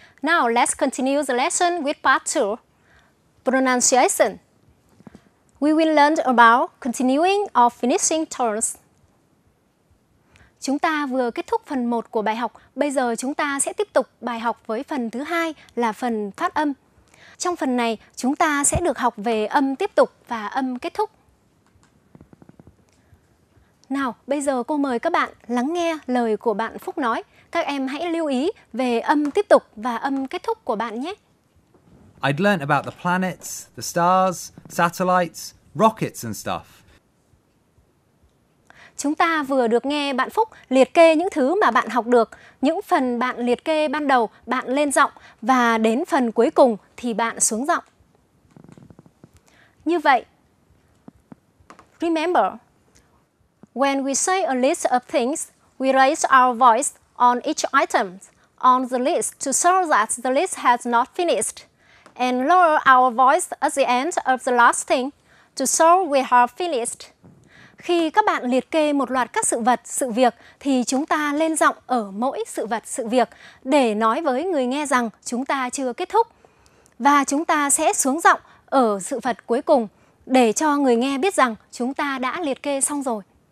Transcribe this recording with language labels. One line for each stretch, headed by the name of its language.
English: Now let's continue the lesson with part 2 pronunciation. We will learn about continuing or finishing tones.
Vietnamese: Chúng ta vừa kết thúc phần 1 của bài học, bây giờ chúng ta sẽ tiếp tục bài học với phần thứ 2 là phần phát âm. Trong phần này, chúng ta sẽ được học về âm tiếp tục và âm kết thúc. Nào, bây giờ cô mời các bạn lắng nghe lời của bạn Phúc nói. Các em hãy lưu ý về âm tiếp tục và âm kết thúc của bạn nhé.
English: I'd learned about the planets, the stars, satellites, rockets and stuff.
Vietnamese: Chúng ta vừa được nghe bạn Phúc liệt kê những thứ mà bạn học được. Những phần bạn liệt kê ban đầu, bạn lên giọng và đến phần cuối cùng thì bạn xuống giọng. Như vậy,
English: remember, when we say a list of things, we raise our voice on each item on the list to show that the list has not finished, and lower our voice at the end of the last thing to show we have finished.
Vietnamese: Khi các bạn liệt kê một loạt các sự vật, sự việc, thì chúng ta lên giọng ở mỗi sự vật, sự việc để nói với người nghe rằng chúng ta chưa kết thúc. Và chúng ta sẽ xuống giọng ở sự vật cuối cùng để cho người nghe biết rằng chúng ta đã liệt kê xong rồi.